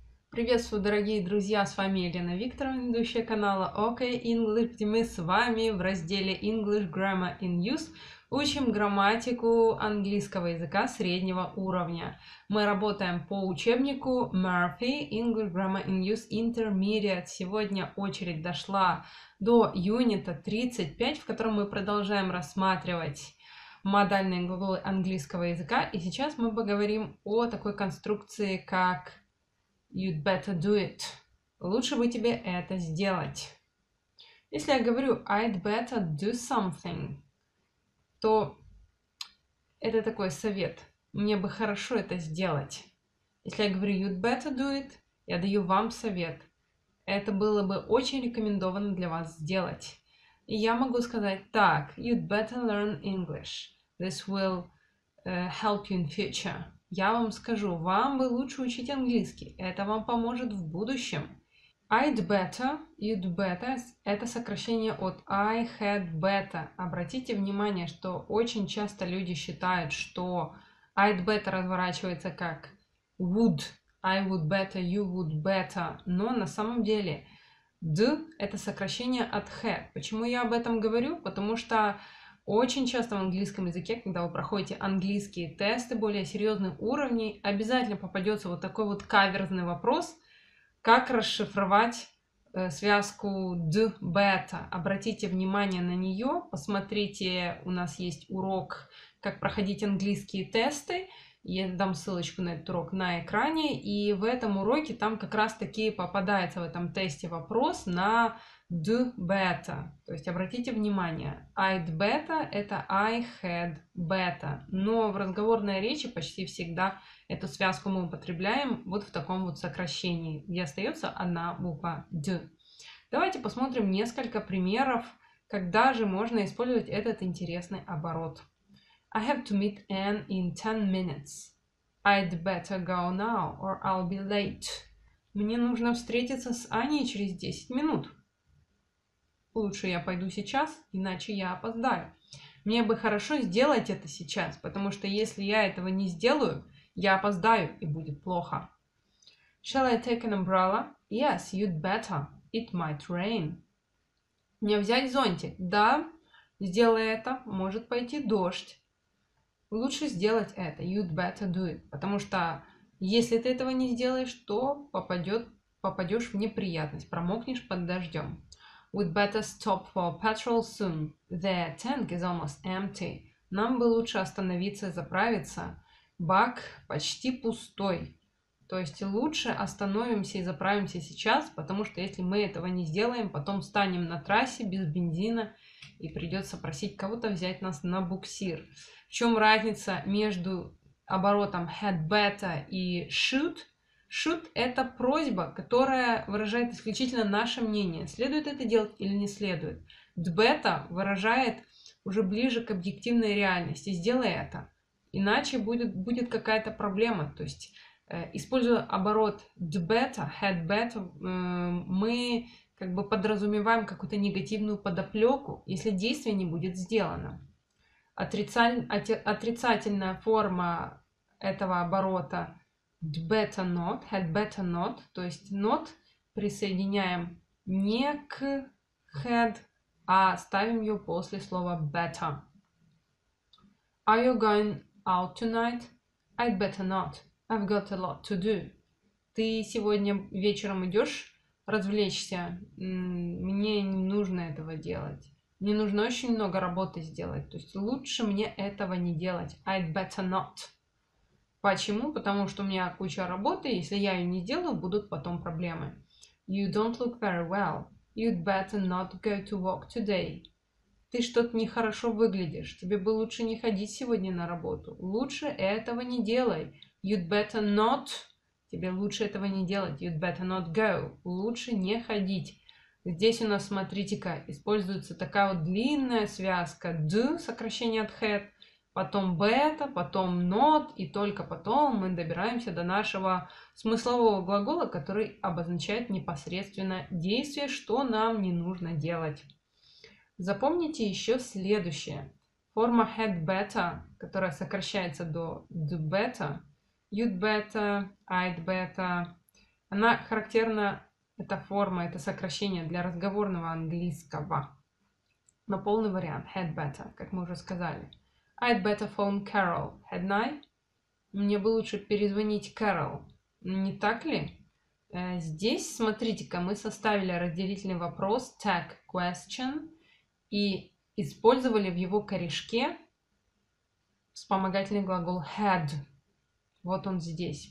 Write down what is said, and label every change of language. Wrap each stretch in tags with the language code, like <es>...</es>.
<ru>Приветствую, дорогие друзья, с вами Елена Викторовна, ведущая канала OK English, где мы с вами в разделе English Grammar in Use учим грамматику английского языка среднего уровня. Мы работаем по учебнику Murphy English Grammar in Use Intermediate. Сегодня очередь дошла до юнита 35, в котором мы продолжаем рассматривать модальные глаголы английского языка, и сейчас мы поговорим о такой конструкции, как</ru> <en>You'd better do it.</en> <ru>Лучше бы тебе это сделать. Если я говорю</ru> <en>I'd better do something,</en> <ru>то это такой совет. Мне бы хорошо это сделать. Если я говорю</ru> <en>You'd better do it,</en> <ru>я даю вам совет. Это было бы очень рекомендовано для вас сделать. И я могу сказать так.</ru> <en>You'd better learn English. This will help you in future.</en> <ru>Я вам скажу, вам бы лучше учить английский. Это вам поможет в будущем.</ru> <en>I'd better, you'd better –</en> <ru>это сокращение от</ru> <en>I had better.</en> <ru>Обратите внимание, что очень часто люди считают, что</ru> <en>I'd better</en> <ru>разворачивается как would.</ru> <en>I would better, you would better.</en> <ru>Но на самом деле d – это сокращение от had. Почему я об этом говорю? Потому что очень часто в английском языке, когда вы проходите английские тесты более серьезных уровней, обязательно попадется вот такой вот каверзный вопрос, как расшифровать связку d better. Обратите внимание на нее, посмотрите, у нас есть урок, как проходить английские тесты. Я дам ссылочку на этот урок на экране. И в этом уроке там как раз таки попадается в этом тесте вопрос на do better. То есть обратите внимание,</ru> <en>I'd better</en> <ru>– это</ru> <en>I had better.</en> <ru>Но в разговорной речи почти всегда эту связку мы употребляем вот в таком вот сокращении, где остается одна буква d. Давайте посмотрим несколько примеров, когда же можно использовать этот интересный оборот.</ru> <en>I have to meet Anne in 10 minutes. I'd better go now or I'll be late.</en> <ru>Мне нужно встретиться с Аней через 10 минут. Лучше я пойду сейчас, иначе я опоздаю. Мне бы хорошо сделать это сейчас, потому что если я этого не сделаю, я опоздаю и будет плохо.</ru> <en>Shall I take an umbrella? Yes, you'd better. It might rain.</en> <ru>Мне взять зонтик? Да, сделай это, может пойти дождь. Лучше сделать это,</ru> <en>you'd better do it,</en> <ru>потому что если ты этого не сделаешь, то попадешь в неприятность, промокнешь под дождем.</ru> <en>We'd better stop for petrol soon. The tank is almost empty.</en> <ru>Нам бы лучше остановиться, заправиться. Бак почти пустой. То есть лучше остановимся и заправимся сейчас, потому что если мы этого не сделаем, потом станем на трассе без бензина и придется просить кого-то взять нас на буксир. В чем разница между оборотом</ru> <en>had better</en> <ru>и should? Should – это просьба, которая выражает исключительно наше мнение, следует это делать или не следует. Better выражает уже ближе к объективной реальности. Сделай это, иначе будет какая-то проблема. То есть, используя оборот better,</ru> <en>had better,</en> <ru>мы как бы подразумеваем какую-то негативную подоплеку, если действие не будет сделано. Отрицательная форма этого оборота – better not,</ru> <en>had better not,</en> <ru>то есть not присоединяем не к had, а ставим ее после слова better.</ru> <en>Are you going out tonight? I'd better not. I've got a lot to do.</en> <ru>Ты сегодня вечером идешь развлечься? Мне не нужно этого делать. Мне нужно очень много работы сделать. То есть лучше мне этого не делать.</ru> <en>I'd better not.</en> <ru>Почему? Потому что у меня куча работы, и если я ее не делаю, будут потом проблемы.</ru> <en>You don't look very well. You'd better not go to work today.</en> <ru>Ты что-то нехорошо выглядишь. Тебе бы лучше не ходить сегодня на работу. Лучше этого не делай.</ru> <en>You'd better not.</en> <ru>Тебе лучше этого не делать.</ru> <en>You'd better not go.</en> <ru>Лучше не ходить. Здесь у нас, смотрите-ка, используется такая вот длинная связка do, сокращение от had. Потом better, потом not, и только потом мы добираемся до нашего смыслового глагола, который обозначает непосредственно действие, что нам не нужно делать. Запомните еще следующее. Форма had better, которая сокращается до do better,</ru> <en>you'd better, I'd better,</en> <ru>Она характерна, эта форма, это сокращение для разговорного английского. Но полный вариант.</ru> <en>Had better,</en> <ru>как мы уже сказали.</ru> <en>I'd better phone Carol, hadn't I?</en> <ru>Мне бы лучше перезвонить Carol. Не так ли? Здесь, смотрите-ка, мы составили разделительный вопрос, tag question, и использовали в его корешке вспомогательный глагол had. Вот он здесь.</ru>